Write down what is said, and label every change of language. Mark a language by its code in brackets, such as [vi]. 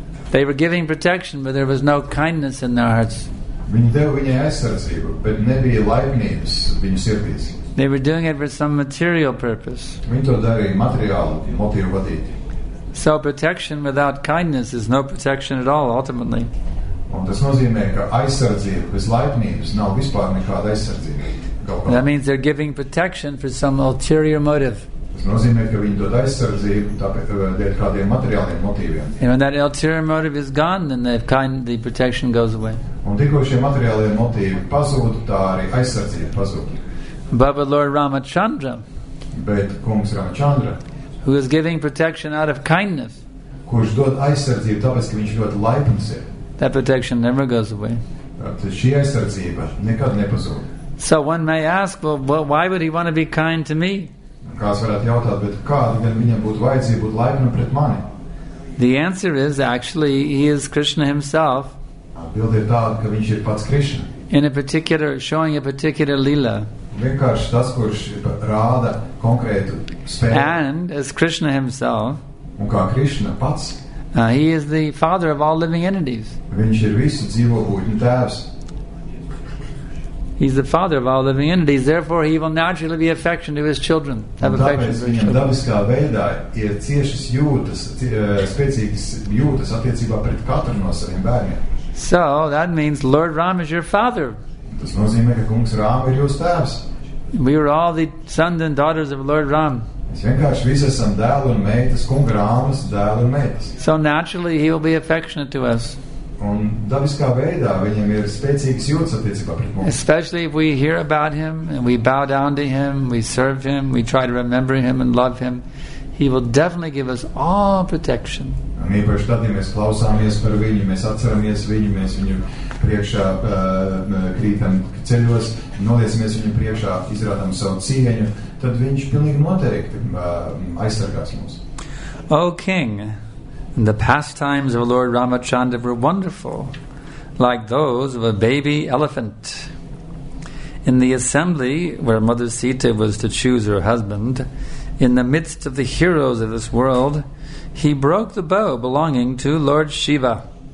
[en] They were giving protection, but there was no kindness in their hearts. [lv] Viņi deva viņai aizsardzību, bet nebija laipnības viņu sirdīs. [en] They were doing it for some material purpose. [lv] Viņi to darīja materiālu motīvu vadīti. [en] So protection without kindness is no protection at all, ultimately. [lv] Un tas nozīmē, ka aizsardzība bez laipnības nav vispār nekāda aizsardzība. [en] That means they're giving protection for some ulterior motive. [lv] Tas nozīmē, ka viņi dod aizsardzību dēļ kādiem materiāliem motīviem. [en] And when that ulterior motive is gone, then the protection goes away. [lv] Un tikko šie materiālie motīvi pazūd, tā arī aizsardzība pazūd. [en] But with Lord Ramachandra, [lv] bet kungs Ramachandra, [en] who is giving protection out of kindness, [lv] kurš dod aizsardzību tāpēc, ka viņš ļoti laipns ir, [en] that protection never goes away. [lv] Šī aizsardzība nekad nepazūd. [en] So one may ask, well, why would he want to be kind to me? [lv] Kāds varētu jautāt, bet kādēļ viņam būtu vajadzība būt laipnam pret mani? [en] The answer is, actually, he is Krishna himself. [lv] Atbilde ir tāda, ka viņš ir pats Krishna. [en] In a particular, showing a particular lila. [lv] Vienkārši tas, kurš rāda konkrētu spēju. [en] And as Krishna himself. [lv] Un kā Krishna pats. [en] He is the father of all living entities. [lv] Viņš ir visu dzīvo būtņu tēvs. [en] He's the father of all living entities. Therefore, he will naturally be affectionate to his children. Have affection for his children. [lv] Dabiskā veidā ir ciešas jūtas, spēcīgas jūtas attiecībā pret katru no saviem bērniem. [en] So, that means Lord Rama is your father. [lv] Tas nozīmē, ka kungs Rāma ir jūsu tēvs. [en] We are all the sons and daughters of Lord Rama. [lv] Mēs vienkārši visi esam dēli un meitas, kunga Rāmas dēli un meitas. [en] So, naturally, he will be affectionate to us. [lv] Un dabiskā veidā viņam ir spēcīgas jūtas attiecībā pret mums. [en] Especially if we hear about him and we bow down to him, we serve him, we try to remember him and love him, he will definitely give us all protection. [lv] Un īpaši tad, ja mēs klausāmies par viņu, mēs atceramies viņu, mēs viņu priekšā krītam ceļos, noliesamies viņu priekšā, izrādām savu cieņu, tad viņš pilnīgi noteikti aizsargās mūs. [en] O king! And the pastimes of Lord Ramachandra were wonderful, like those of a baby elephant. In the assembly where Mother Sita was to choose her husband, in the midst of the heroes of this world, he broke the bow belonging to Lord Shiva.